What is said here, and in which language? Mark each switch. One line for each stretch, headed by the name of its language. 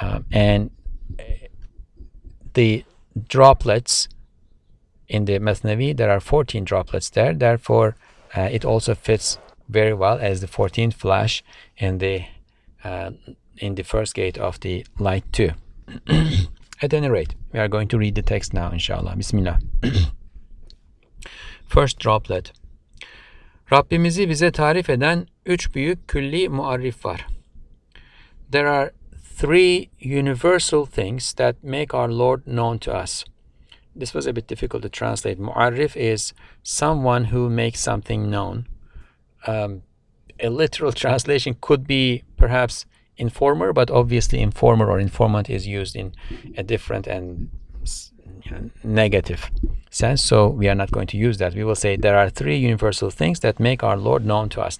English: And the droplets in the Masnavi, there are 14 droplets there. Therefore, it also fits very well as the 14th flash in the first gate of the light too. At any rate, we are going to read the text now, inshallah.
Arabic: Bismillah.
English: First droplet.
Turkish: Rabbimizi bize tarif eden üç büyük külli muarrif var.
English: There are three universal things that make our Lord known to us. This was a bit difficult to translate. Muarrif is someone who makes something known. A literal translation could be perhaps informer, but obviously informer or informant is used in a different and negative sense, so we are not going to use that. We will say there are three universal things that make our Lord known to us.